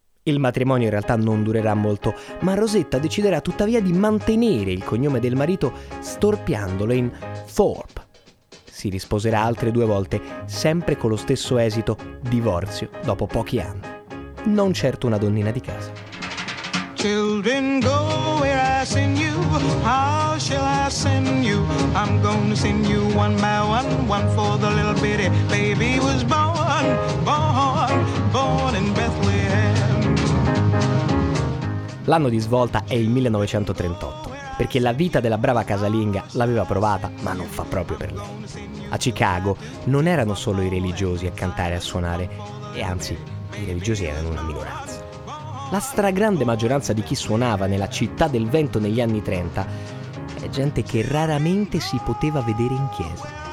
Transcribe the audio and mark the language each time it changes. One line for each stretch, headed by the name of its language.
Italian: Il matrimonio in realtà non durerà molto, ma Rosetta deciderà tuttavia di mantenere il cognome del marito storpiandolo in Thorpe. Si risposerà altre 2 volte, sempre con lo stesso esito, divorzio, dopo pochi anni. Non certo una donnina di casa.
English: Children, go where I send you. How shall I send you? I'm gonna send you one by one, one for the little bitty baby was born, born, born in Bethlehem.
Italian: L'anno di svolta è il 1938, perché la vita della brava casalinga l'aveva provata, ma non fa proprio per lei. A Chicago non erano solo i religiosi a cantare e a suonare, e anzi, i religiosi erano una minoranza. La stragrande maggioranza di chi suonava nella città del vento negli anni 30 è gente che raramente si poteva vedere in chiesa.